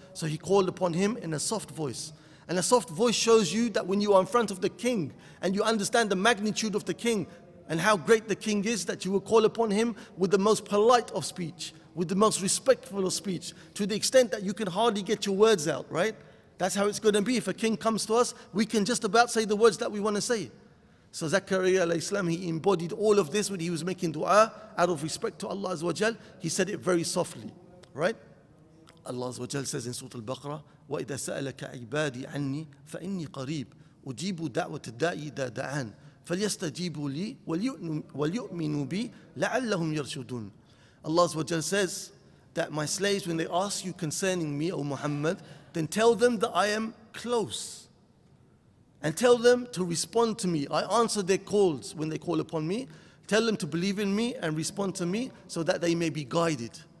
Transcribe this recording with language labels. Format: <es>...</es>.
<en>So he called upon him in a soft voice. And a soft voice shows you that when you are in front of the king and you understand the magnitude of the king and how great the king is, that you will call upon him with the most polite of speech, with the most respectful of speech, to the extent that you can hardly get your words out, right? That's how it's going to be. If a king comes to us, we can just about say the words that we want to say. So Zakaria alayhi salam, he embodied all of this when he was making dua out of respect to Allah azza wa jal. He said it very softly, right? Allah azza wa jal says in Surah Al-Baqarah,</en> <ar>وَإِذَا سَأَلَكَ عِبَادِي عَنِّي فَإِنِّي قَرِيبٌ أُجِيبُ دَعْوَةَ الدَّاعِي إِذَا دَعَانِ فَلْيَسْتَجِيبُوا لِي وَلْيُؤْمِنُوا بِي لَعَلَّهُمْ يَرْشُدُونَ.</ar> <en>Allah azza wa jal says that my slaves, when they ask you concerning me, O Muhammad, then tell them that I am close. And tell them to respond to me. I answer their calls when they call upon me. Tell them to believe in me and respond to me so that they may be guided.</en>